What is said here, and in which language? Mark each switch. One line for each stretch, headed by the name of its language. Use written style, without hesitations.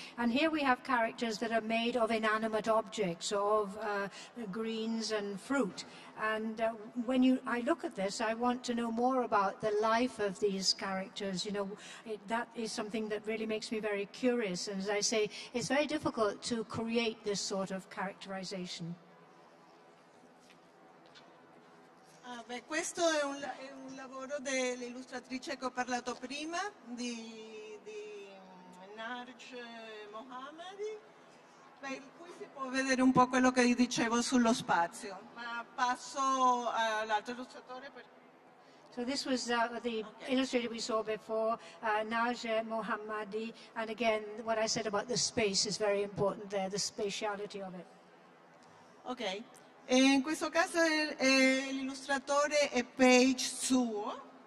English: And here we have characters that are made of inanimate objects, of greens and fruit. And when I look at this, I want to know more about the life of these characters. You know, that is something that really makes me very curious. And as I say, it's very difficult to create this sort of characterization.
Italian: Questo è un lavoro dell'illustratrice che ho parlato prima, di Narj Mohammadi. Qui si può vedere un po' quello che dicevo sullo spazio, ma passo all'altro illustratore.
English: So this was the illustrator we saw before, Naje Mohammadi, and again, what I said about the space is very important there, the spatiality of it.
Italian: Ok, e in questo caso l'illustratore è Page Suo.